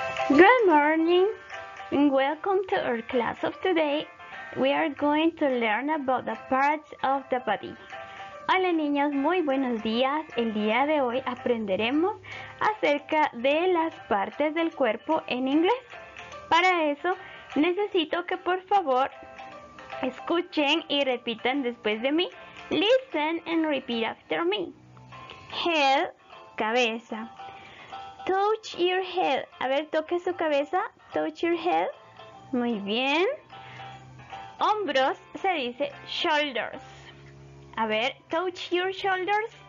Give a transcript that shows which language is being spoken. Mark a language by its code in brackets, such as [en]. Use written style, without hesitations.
[en] Good morning and welcome to our class of today. We are going to learn about the parts of the body. [es] Hola niños, muy buenos días. El día de hoy aprenderemos acerca de las partes del cuerpo en inglés. Para eso necesito que por favor escuchen y repitan después de mí. [en] Listen and repeat after me. Head, cabeza. Touch your head. [es] A ver, toque su cabeza. [en] Touch your head. [es] Muy bien. Hombros se dice shoulders. A ver, [en] touch your shoulders.